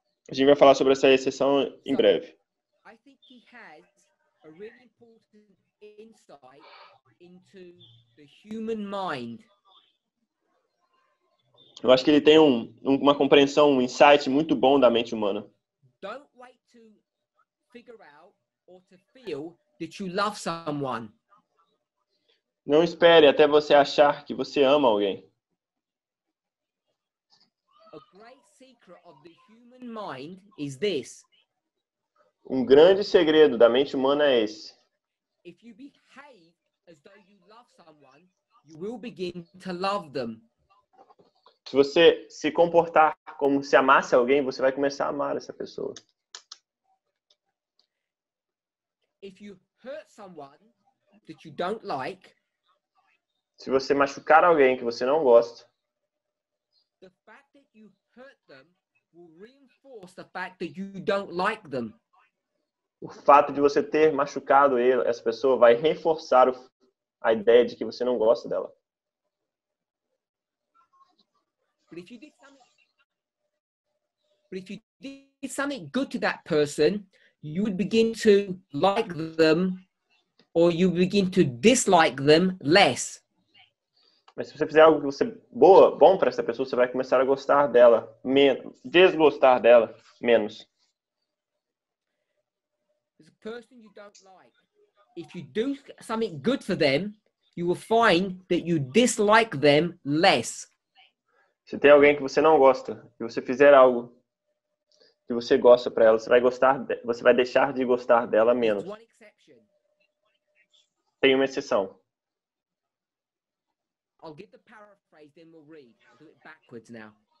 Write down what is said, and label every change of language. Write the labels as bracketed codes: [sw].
[pt] A gente vai falar sobre essa exceção em breve. [en] I think he has a really important insight into the human mind. [pt] Eu acho que ele tem uma compreensão, um insight muito bom da mente humana. [en] Don't wait to figure out or to feel that you love someone. [pt] Não espere até você achar que você ama alguém. [en] A great secret of the human mind is this. [pt] Um grande segredo da mente humana é esse. [en] If you behave as though you love someone, you will begin to love them. [pt] Se você se comportar como se amasse alguém, você vai começar a amar essa pessoa. [en] If you hurt someone that you don't like, [pt] se você machucar alguém que você não gosta, [en] the fact that you hurt them will reinforce the fact that you don't like them. [pt] O fato de você ter machucado essa pessoa vai reforçar a ideia de que você não gosta dela. [en] But if you did something good to that person, you would begin to like them, or you begin to dislike them less. [pt] Mas se você fizer algo que você bom para essa pessoa, você vai começar a gostar dela menos, desgostar dela menos. [en] Person you don't like. If you do something good for them, you will find that you dislike them less. [pt] Se tem alguém que você não gosta, e você fizer algo que você gosta para ela, você vai deixar de gostar dela menos. Tem uma exceção. [en] I'll give the paraphrase, then we'll read. I'll do it backwards now.